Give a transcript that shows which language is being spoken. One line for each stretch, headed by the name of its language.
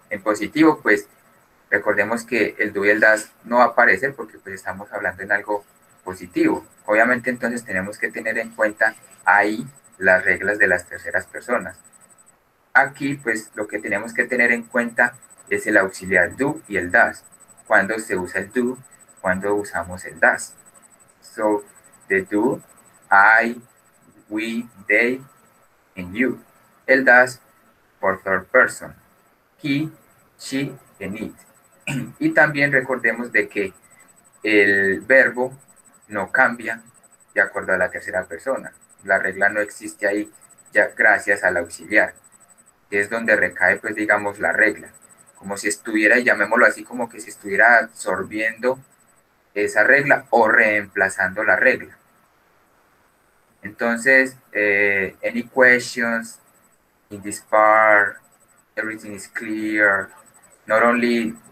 Spanish: En positivo, pues, recordemos que el do y el does no va a aparecer porque pues estamos hablando en algo positivo. Obviamente, entonces, tenemos que tener en cuenta ahí las reglas de las terceras personas. Aquí, pues, lo que tenemos que tener en cuenta es el auxiliar do y el does. Cuando se usa el do, cuando usamos el does.
English: So, the do, I, we, they, and you. El does, for third person. He, she, and it.
Spanish: Y también recordemos de que el verbo no cambia de acuerdo a la tercera persona. La regla no existe ahí ya gracias al auxiliar, que es donde recae, pues, digamos, la regla. Como si estuviera, llamémoslo así, como que si estuviera absorbiendo esa regla o reemplazando la regla.
English: Entonces, any questions in this part, everything is clear, not only